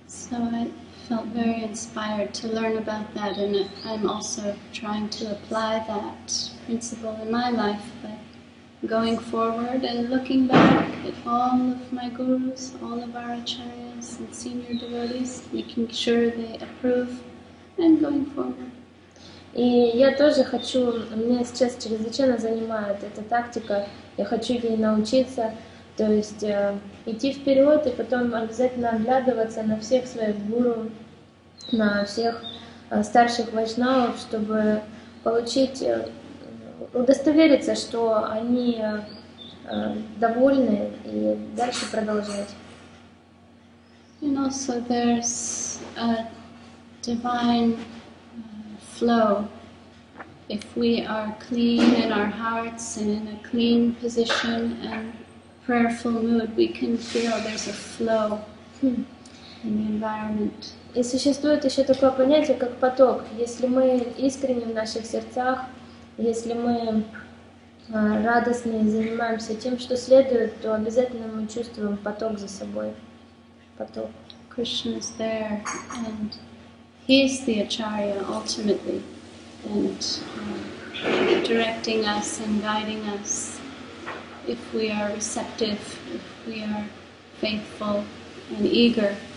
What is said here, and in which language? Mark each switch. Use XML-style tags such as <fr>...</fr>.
<en>So I felt very inspired to learn about that, and I'm also trying to apply that principle in my life, but going forward and looking back at all of my gurus, all of our acharyas, and senior devotees, making sure they approve and going forward.</en> <ru>И я тоже хочу, меня сейчас чрезвычайно занимает эта тактика, я хочу ей научиться, то есть идти вперед и потом обязательно оглядываться на всех своих гуру, на всех старших вайшнавов, чтобы получить, удостовериться, что они довольны и дальше продолжать.</ru> <en>And also there's a divine flow. If we are clean in our hearts and in a clean position and prayerful mood, we can feel there's a flow in the environment.</en> <ru>И существует еще такое понятие, как поток. Если мы искренне в наших сердцах, если мы радостны и занимаемся тем, что следует, то обязательно мы чувствуем поток за собой. Поток.</ru> <en>Krishna is there, and he's the acharya ultimately, and directing us and guiding us if we are receptive, if we are faithful and eager.</en>